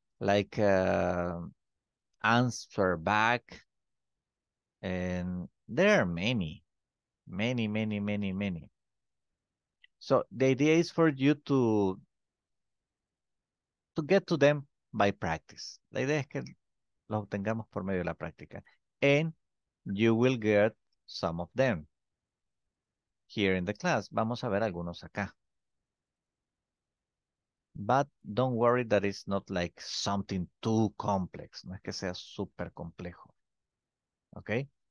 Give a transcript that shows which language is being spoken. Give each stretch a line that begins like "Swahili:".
English: Like, answer back. And there are many. Many, many, many, many. So, the idea is for you to get to them by practice.
Spanish: La idea es que los obtengamos por medio de la práctica.
English: And you will get some of them here in the class.
Spanish: Vamos a ver algunos acá.
English: But don't worry that it's not like something too complex.
Spanish: No es que sea súper complejo. Okay?